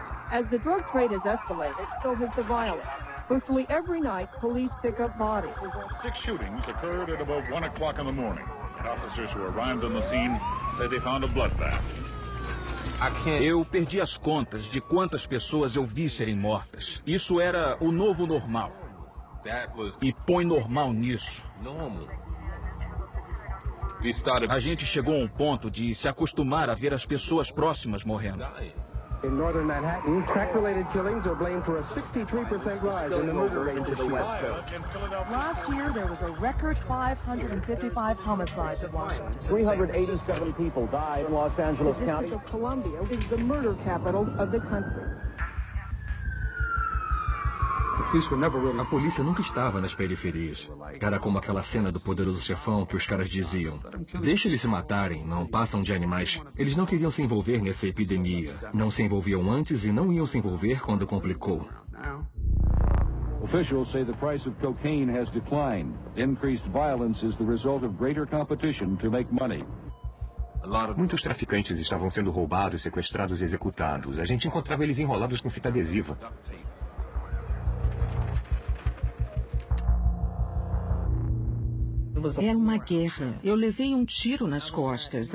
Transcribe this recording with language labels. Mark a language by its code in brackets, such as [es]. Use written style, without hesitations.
[en] As the drug trade has escalated, so has the violence. Virtually every night, police pick up bodies. 6 shootings occurred at about 1 o'clock in the morning. Officers who arrived on the scene say they found a bloodbath. [pt] Eu perdi as contas de quantas pessoas eu vi serem mortas. Isso era o novo normal. E põe normal nisso. A gente chegou a um ponto de se acostumar a ver as pessoas próximas morrendo. [en] In northern Manhattan, crack-related killings are blamed for a 63% rise in the murder rate in the West Coast. Last year, there was a record 555 homicides in Washington. 387 people died in Los Angeles County. The District of Columbia is the murder capital of the country. [pt] A polícia nunca estava nas periferias. Era como aquela cena do Poderoso Chefão que os caras diziam: deixa eles se matarem, não passam de animais. Eles não queriam se envolver nessa epidemia. Não se envolviam antes e não iam se envolver quando complicou. [en] Officials say the price of cocaine has declined. Increased violence is the result of greater competition to make money. [pt] Muitos traficantes estavam sendo roubados, sequestrados e executados. A gente encontrava eles enrolados com fita adesiva. [en] The [pt] É uma guerra. Eu levei um tiro nas costas.